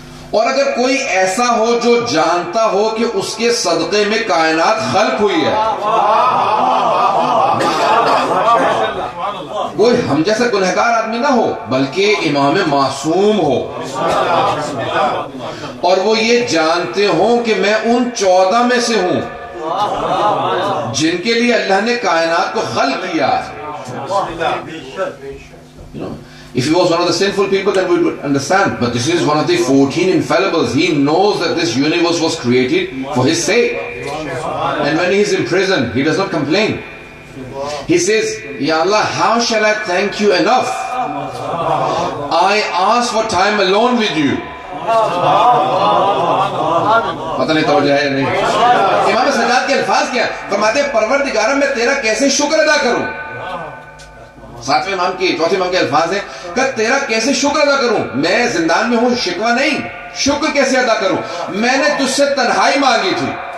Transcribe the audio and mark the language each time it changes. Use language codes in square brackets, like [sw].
[ur] اور اگر کوئی ایسا ہو جو جانتا ہو کہ اس کے صدقے میں کائنات خلق ہوئی ہے کوئی ہم جیسے گنہگار آدمی نہ ہو بلکہ امام معصوم ہو اور وہ یہ جانتے ہوں کہ میں ان 14 میں سے ہوں جن کے لیے اللہ نے کائنات کو خلق کیا [en] You know, if he was one of the sinful people, then we would understand. But this is one of the 14 infallibles. He knows that this universe was created for his sake. And when he is in prison, he does not complain. He says, Ya Allah, how shall I thank you enough? I ask for time alone with you. [ur] پتہ نہیں توجہ ہے یا نہیں امام سجاد کے الفاظ کیا فرماتے ہیں پروردگارہ میں تیرا کیسے شکر ادا کروں ساتویں امام کی چوتھے امام کے الفاظ ہیں کہ تیرا کیسے شکر ادا کروں میں زندان میں ہوں شکوا نہیں شکر کیسے ادا کروں میں نے تجھ سے تنہائی مانگی تھی